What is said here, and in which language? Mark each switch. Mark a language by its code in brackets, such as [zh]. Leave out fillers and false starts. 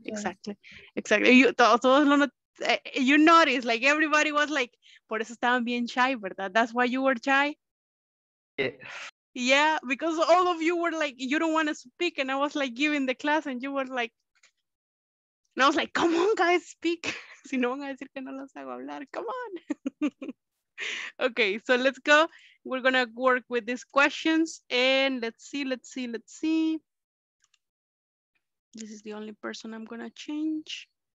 [en] Yeah. Exactly, exactly. You noticed, like everybody was like, [es] por eso estaban bien shy, ¿verdad? [en] That's why you were shy? Yeah. Yeah, because all of you were like, you don't want to speak. And I was like giving the class and you were like, and I was like, come on guys, speak. [es] Si no van a decir que no los hago hablar, [en] come on. Okay, so let's go. We're gonna work with these questions and let's see. This is the only person I'm gonna change.